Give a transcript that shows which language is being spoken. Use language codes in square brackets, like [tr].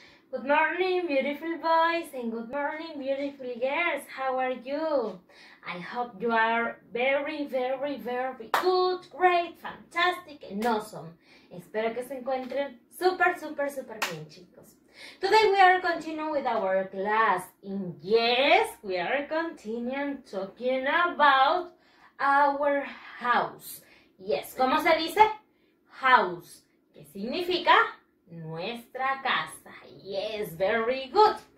[en] Good morning, beautiful boys, and good morning, beautiful girls. How are you? I hope you are very, very, very good, great, fantastic, and awesome. [es] Espero que se encuentren super, super, super bien, chicos. [en] Today we are continuing with our class. And yes, we are continuing talking about our house. Yes, [es] ¿cómo se dice? House. ¿Qué significa? Nuestra casa. [en] Yes, very good.